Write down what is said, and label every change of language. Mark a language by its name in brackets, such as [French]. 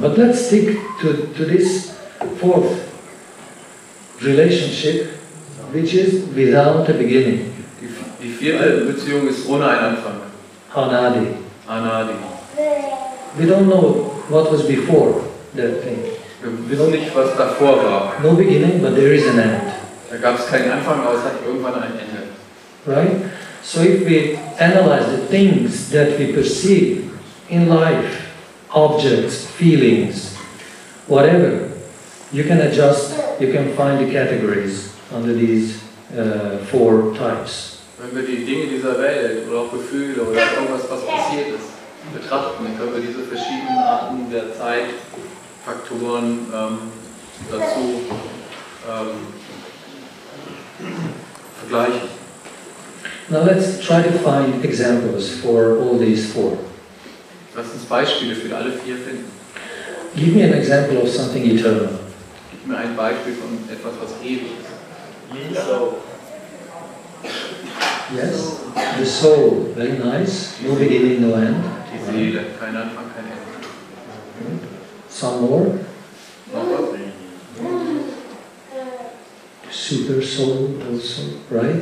[English] But let's stick to this fourth relationship, which is without a beginning. [German] Die vierte Beziehung ist ohne einen Anfang. [Sanskrit] Anadi. Anadi. [English] We don't know what was before that thing. [German] Wir wissen nicht, was davor war. [English] No beginning, but there is an end. [German] Da gab es keinen Anfang, aber es hat irgendwann ein Ende. [English] Right? So if we analyze the things that we perceive in life, objects, feelings, whatever, you can adjust, you can find the categories under these four types. [German] Wenn wir die Dinge dieser Welt oder auch Gefühle oder irgendwas, was passiert ist, betrachten, dann können wir diese verschiedenen Arten der Zeitfaktoren dazu vergleichen. [English] Now let's try to find examples for all these four. [German] Lass uns Beispiele für alle vier finden. [English] Give me an example of something eternal. [German] Gib mir ein Beispiel von etwas, was ewig ist. [English] Lisa. Yes, the soul, very nice, no beginning, no end. [German] Die Seele, kein Anfang, kein Ende. Okay. [English] Some more? [German] Noch was? [English] Super soul also, right?